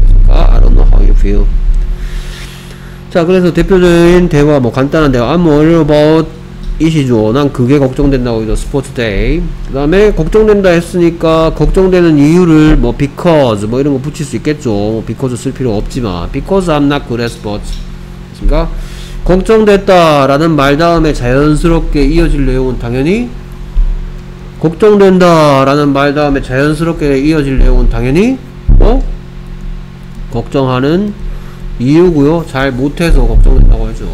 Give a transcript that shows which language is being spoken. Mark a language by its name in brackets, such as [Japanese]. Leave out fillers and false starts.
[Korean] 그러니까 [English] I don't know how you feel. [Korean] 자, 그래서 대표적인 대화, 뭐 간단한 대화, [English] I'm worried about [Korean] 이시죠. 난 그게 걱정된다고 해서 스포츠 데이. 그 다음에 걱정된다 했으니까 걱정되는 이유를 뭐 because 뭐 이런 거 붙일 수 있겠죠. [English] because [Korean] 쓸 필요 없지만 [English] because I'm not good at sports. [Korean] 그러니까 걱정됐다라는 말 다음에 자연스럽게 이어질 내용은 당연히 걱정된다라는 말 다음에 자연스럽게 이어질 내용은 당연히 뭐 걱정하는 이유고요. 잘 못해서 걱정된다고 하죠.